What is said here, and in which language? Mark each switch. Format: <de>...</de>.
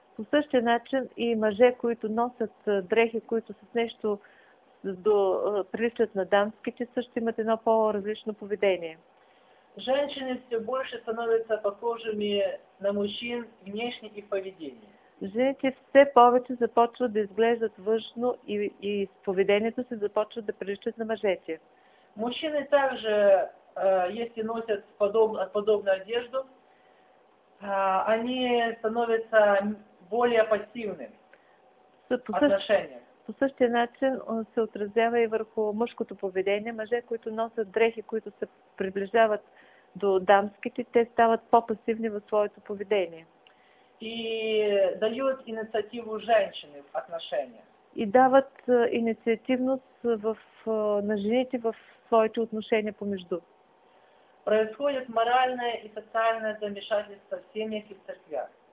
<bg>По същия начин и мъже, които носят дрехи, които с нещо приличат на дамските, също имат едно по-различно поведение.</bg> <ru>женщины все больше становятся похожими на мужчин внешне и в поведении.</ru> <bg>Жените все повече започват да изглеждат външно и с поведението се започват да приличат на мъжете.</bg> <ru>Мужчины также, если носят подобную одежду, они становятся более пассивными в отношениях.</ru> <bg>По същия начин се отразява и върху мъжкото поведение. Мъже, които носят дрехи, които се приближават до дамските, те стават по-пасивни в своето поведение.</bg> <ru>И дают инициативу женщины в отношениях.</ru> <bg>И дават инициативност на жените в своите отношения помежду.</bg> <ru>Происходит моральное и социальное замешательство в семьях и в церквях.</ru>